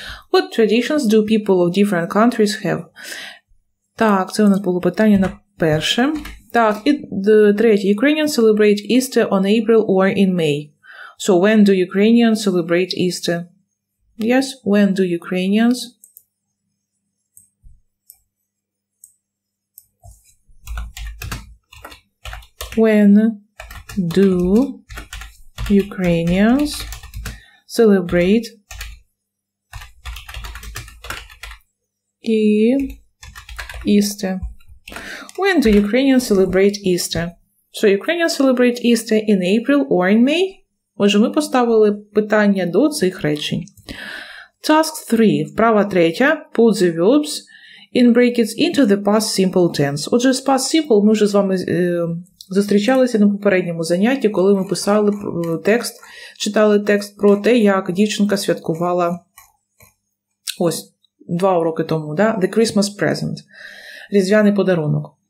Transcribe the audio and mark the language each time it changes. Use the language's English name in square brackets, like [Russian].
[English] What traditions do people of different countries have? [Ukrainian] Так, це у нас було питання на перше. Так, і третє. [English] Ukrainians celebrate Easter on April or in May. So, when do Ukrainians celebrate Easter? Yes, when do Ukrainians? When do Ukrainians celebrate Easter? When do Ukrainians celebrate Easter? So, Ukrainians celebrate Easter in April or in May? [Ukrainian] Отже, ми поставили питання до цих речень. [English] Task 3. [Ukrainian] Вправа третя. [English] Put the verbs in brackets into the past simple tense. [Ukrainian] Отже, з past simple ми вже з вами зустрічалися на попередньому занятті, коли ми писали текст, читали текст про те, як дівчинка святкувала ось, 2 роки тому, да? [English] The Christmas present. [Ukrainian] Різдвяний подарунок.